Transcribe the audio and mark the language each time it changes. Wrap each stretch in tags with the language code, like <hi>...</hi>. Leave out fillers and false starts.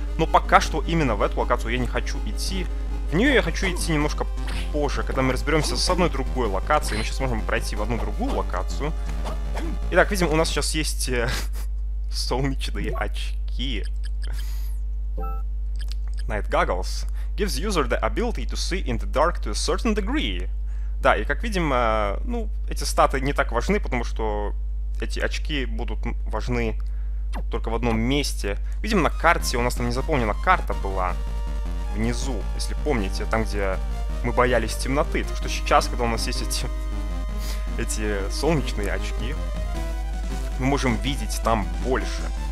<ru>Но пока что именно в эту локацию я не хочу идти. В нее я хочу идти немножко позже, когда мы разберемся с одной другой локацией. Мы сейчас можем пройти в одну другую локацию. Итак, видим, у нас сейчас есть солнечные очки.</ru> <en>Night Goggles gives user the ability to see in the dark to a certain degree.</en> <ru>Да, и как видим, ну, эти статы не так важны, потому что эти очки будут важны только в одном месте. Видим, на карте у нас там не заполнена карта была внизу, если помните, там, где мы боялись темноты. Так что сейчас, когда у нас есть эти солнечные очки, мы можем видеть там больше.</ru>